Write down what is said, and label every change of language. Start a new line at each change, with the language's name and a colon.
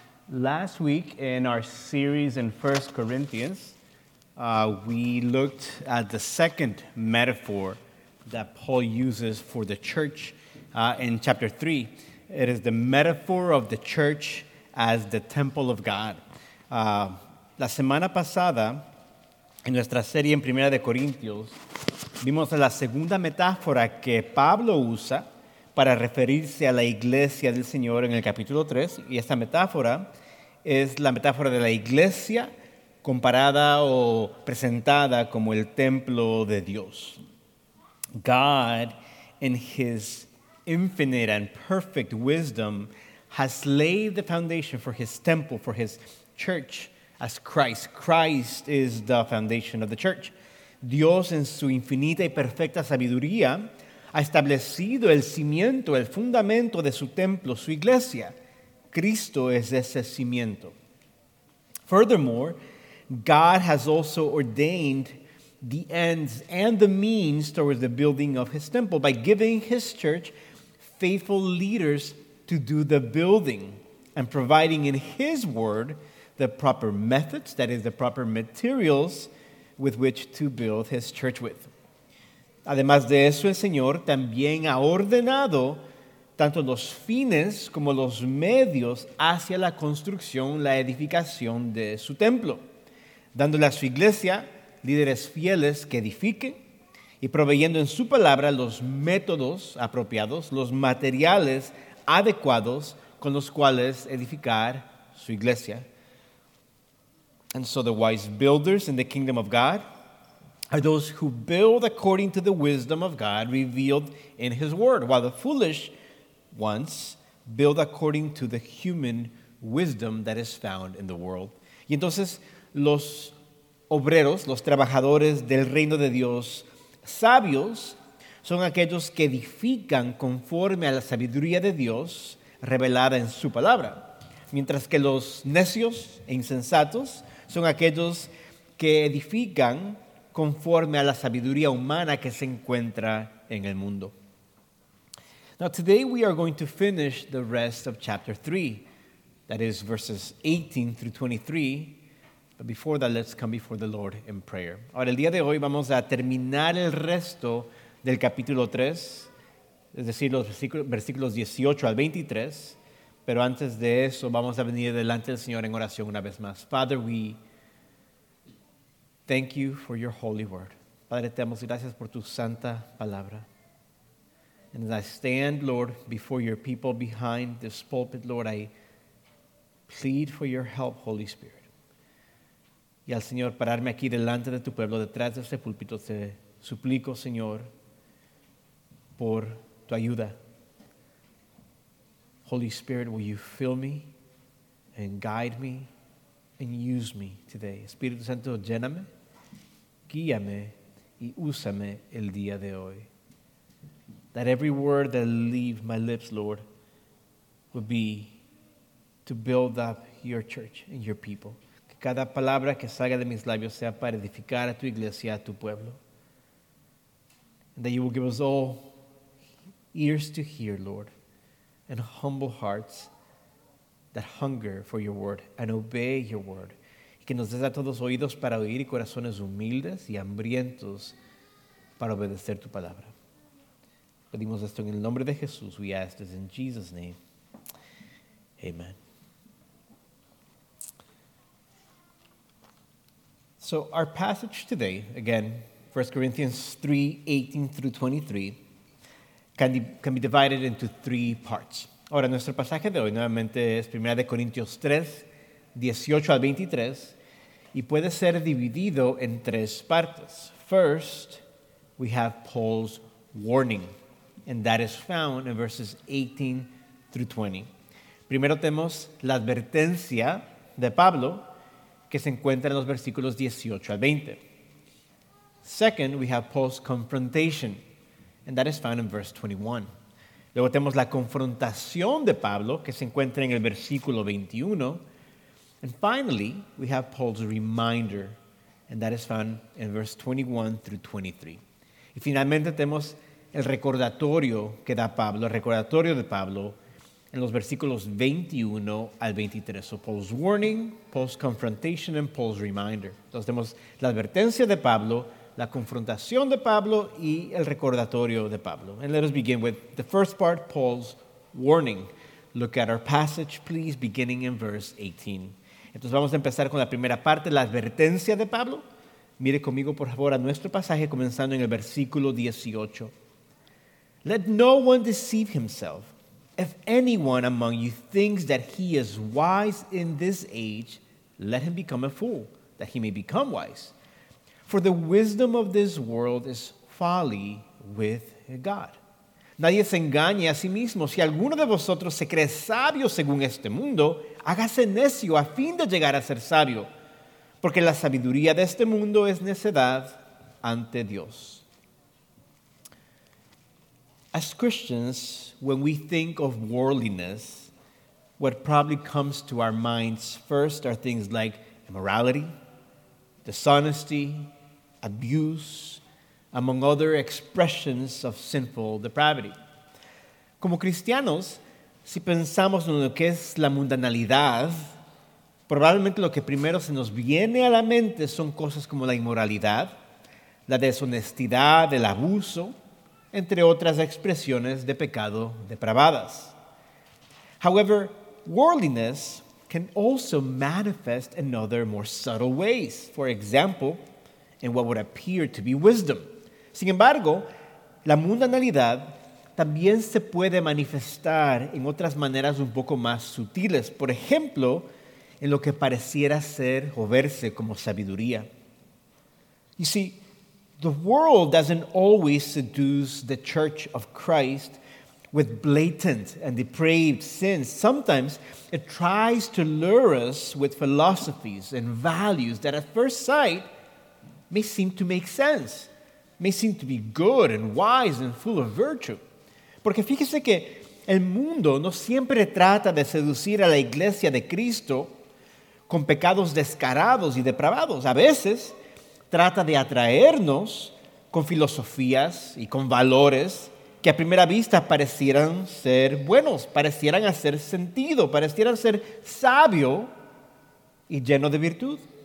English: Last week in our series in 1 Corinthians, we looked at the second metaphor that Paul uses for the church in chapter 3. It is the metaphor of the church as the temple of God.
Spanish: La semana pasada, en nuestra serie en Primera de Corintios, vimos la segunda metáfora que Pablo usa para referirse a la iglesia del Señor en el capítulo 3. Y esta metáfora es la metáfora de la iglesia comparada o presentada como el templo de Dios.
English: God, in his infinite and perfect wisdom, has laid the foundation for his temple, for his church, as Christ. Christ is the foundation of the church.
Spanish: Dios, en su infinita y perfecta sabiduría, ha establecido el cimiento, el fundamento de su templo, su iglesia. Cristo es ese cimiento.
English: Furthermore, God has also ordained the ends and the means towards the building of his temple by giving his church faithful leaders to do the building and providing in his word the proper methods, that is, the proper materials with which to build his church with.
Spanish: Además de eso, el Señor también ha ordenado tanto los fines como los medios hacia la construcción, la edificación de su templo, dándole a su iglesia líderes fieles que edifiquen y proveyendo en su palabra los métodos apropiados, los materiales adecuados con los cuales edificar su iglesia.
English: And so the wise builders in the kingdom of God are those who build according to the wisdom of God revealed in his word, while the foolish ones build according to the human wisdom that is found in the world.
Spanish: Y entonces, los obreros, los trabajadores del reino de Dios sabios, son aquellos que edifican conforme a la sabiduría de Dios revelada en su palabra. Mientras que los necios e insensatos son aquellos que edifican conforme a la sabiduría humana que se encuentra en el mundo.
English: Now today we are going to finish the rest of chapter 3, that is verses 18 through 23. But before that, let's come before the Lord in prayer.
Spanish: Ahora, el día de hoy vamos a terminar el resto del capítulo 3, es decir, los versículos 18 al 23. Pero antes de eso, vamos a venir delante del Señor en oración una vez más.
English: Father, we thank you for your holy word.
Spanish: Padre, te damos gracias por tu santa palabra.
English: And as I stand, Lord, before your people behind this pulpit, Lord, I plead for your help, Holy Spirit.
Spanish: Y al Señor pararme aquí delante de tu pueblo, detrás de este púlpito, te suplico, Señor, por tu ayuda.
English: Holy Spirit, will you fill me and guide me and use me today?
Spanish: Espíritu Santo, lléname, guíame y úsame el día de hoy.
English: That every word that leave my lips, Lord, would be to build up your church and your people.
Spanish: Que cada palabra que salga de mis labios sea para edificar a tu iglesia, a tu pueblo.
English: And that you will give us all ears to hear, Lord, and humble hearts that hunger for your word and obey your word.
Spanish: Y que nos des a todos oídos para oír y corazones humildes y hambrientos para obedecer tu palabra. Pedimos esto en el nombre de Jesús.
English: We ask this in Jesus' name. Amen. So our passage today, again, 1 Corinthians 3, 18 through 23, can be divided into three parts.
Spanish: Ahora, nuestro pasaje de hoy nuevamente es 1 Corintios 3, 18 al 23, y puede ser dividido en tres partes.
English: First, we have Paul's warning, and that is found in verses 18 through 20.
Spanish: Primero tenemos la advertencia de Pablo, que se encuentra en los versículos 18 al 20.
English: Second, we have Paul's confrontation, and that is found in verse 21.
Spanish: Luego tenemos la confrontación de Pablo, que se encuentra en el versículo 21.
English: And finally, we have Paul's reminder, and that is found in verse 21 through 23.
Spanish: Y finalmente tenemos el recordatorio que da Pablo, el recordatorio de Pablo, en los versículos 21 al 23.
English: So Paul's warning, Paul's confrontation, and Paul's reminder.
Spanish: Entonces tenemos la advertencia de Pablo, la confrontación de Pablo y el recordatorio de Pablo.
English: And let us begin with the first part, Paul's warning. Look at our passage, please, beginning in verse 18.
Spanish: Entonces vamos a empezar con la primera parte, la advertencia de Pablo. Mire conmigo, por favor, a nuestro pasaje comenzando en el versículo 18.
English: Let no one deceive himself. If anyone among you thinks that he is wise in this age, let him become a fool, that he may become wise. For the wisdom of this world is folly with God.
Spanish: Nadie se engañe a sí mismo. Si alguno de vosotros se cree sabio según este mundo, hágase necio a fin de llegar a ser sabio. Porque la sabiduría de este mundo es necedad ante Dios.
English: As Christians, when we think of worldliness, what probably comes to our minds first are things like immorality, dishonesty, abuse, among other expressions of sinful depravity.
Spanish: Como cristianos, si pensamos en lo que es la mundanalidad, probablemente lo que primero se nos viene a la mente son cosas como la inmoralidad, la deshonestidad, el abuso, entre otras expresiones de pecado depravadas.
English: However, worldliness can also manifest in other more subtle ways, for example, in what would appear to be wisdom.
Spanish: Sin embargo, la mundanalidad también se puede manifestar en otras maneras un poco más sutiles, por ejemplo, en lo que pareciera ser o verse como sabiduría.
English: You see, the world doesn't always seduce the church of Christ with blatant and depraved sins. Sometimes it tries to lure us with philosophies and values that at first sight may seem to make sense, may seem to be good and wise and full of virtue.
Spanish: Porque fíjese que el mundo no siempre trata de seducir a la iglesia de Cristo con pecados descarados y depravados. A veces trata de atraernos con filosofías y con valores que a primera vista parecieran ser buenos, parecieran hacer sentido, parecieran ser sabio y lleno de virtud.